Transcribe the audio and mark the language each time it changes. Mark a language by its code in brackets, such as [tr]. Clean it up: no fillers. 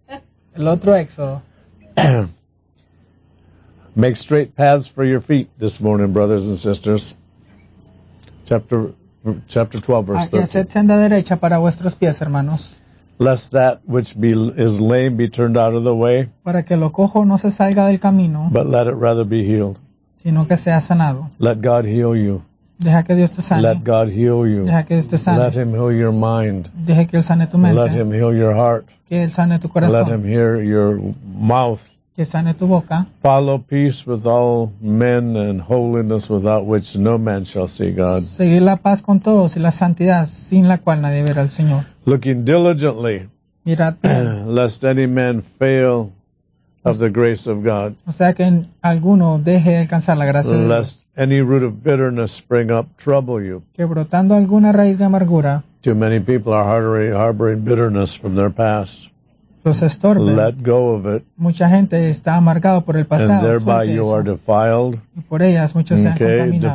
[es] El otro Éxodo. [en] Make straight paths for your feet this morning, brothers and sisters. Chapter 12, verse 13. [es] Haced senda derecha para vuestros pies, hermanos. [en] Lest that which is lame be turned out of the way. [es] Para que lo cojo no se salga del camino. [en] But let it rather be healed. [es] Sino que sea sanado. [en] Let God heal you. [es] Deja que Dios te sane. [en] Let God heal you. [es] Deja que Dios te sane. [en] Let him heal your mind. [es] Deja que él sane tu mente. [en] Let him heal your heart. [es] Que él sane tu corazón. [en] Let him hear your mouth. [es] Que sane tu boca. [en] Follow peace with all men and holiness without which no man shall see God. [es] Seguir la paz con todos y la santidad sin la cual nadie verá al Señor. [en] Looking diligently. [es] Mirad. [en] Lest any man fail of the grace of God. [es] O sea que alguno deje alcanzar la gracia de Dios. [en] Lest any root of bitterness spring up trouble you. [es] Que brotando alguna raíz de amargura. [en] Too many people are harboring bitterness from their past. [es] Los estorben. [en] Let go of it. [es] Mucha gente está amargado por el pasado. [en] And thereby you are defiled. [es] Y por ellas muchos se han contaminado.